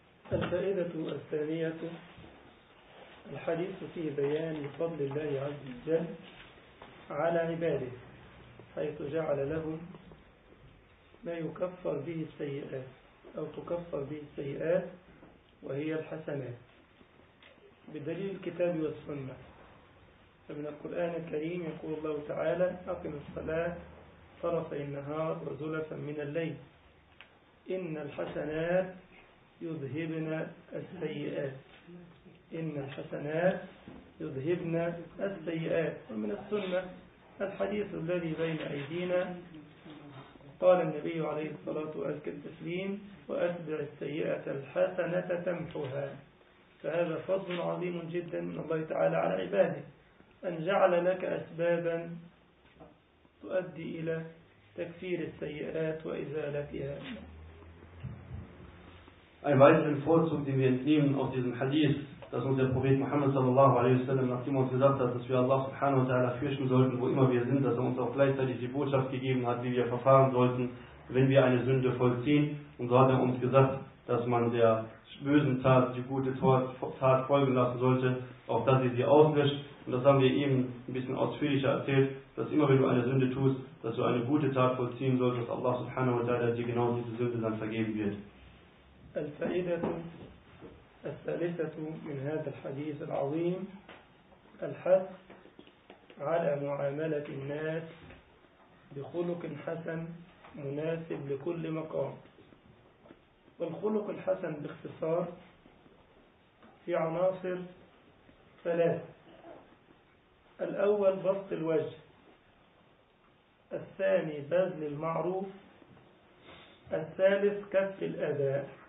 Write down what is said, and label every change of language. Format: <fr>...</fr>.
<ar>Al-Fa'idatu al-Thaniyatu al-Hadithu fi bayan fadlillahi azzajal ala ibadih haythu ja'ala lahum ma yukaffar bihi sayyi'at au tukaffar bihi sayyi'at وهي الحسنات بدليل الكتاب والسنة. فمن القرآن الكريم يقول الله تعالى أقم الصلاة طرفي النهار وزلفا من الليل إن الحسنات يذهبن السيئات إن الحسنات يذهبن السيئات. ومن السنة الحديث الذي بين أيدينا قال النبي عليه الصلاة والسلام وأتبع السيئة الحسنة تمحها. فهذا فضل عظيم جدا من الله تعالى على عباده أن جعل لك أسبابا تؤدي إلى تكفير السيئات وإزالتها.</ar> <de>Ein weiterer Vorzug, den wir entnehmen aus diesem Hadith, dass uns der Prophet Muhammad sallallahu alaihi wasallam nachdem uns gesagt hat, dass wir Allah subhanahu wa ta'ala fürchten sollten, wo immer wir sind, dass er uns auch gleichzeitig die Botschaft gegeben hat, wie wir verfahren sollten, wenn wir eine Sünde vollziehen. Und so hat er uns gesagt, dass man der bösen Tat die gute Tat folgen lassen sollte, auf dass sie sie auslöscht. Und das haben wir eben ein bisschen ausführlicher erzählt, dass immer wenn du eine Sünde tust, dass du eine gute Tat vollziehen sollst, dass Allah subhanahu wa ta'ala dir genau diese Sünde dann vergeben wird.</de> <ar>الفائدة الثالثة من هذا الحديث العظيم الحث على معاملة الناس بخلق حسن مناسب لكل مقام. والخلق الحسن باختصار في عناصر ثلاث: الأول بسط الوجه، الثاني بذل المعروف، الثالث كف الأذى.</ar>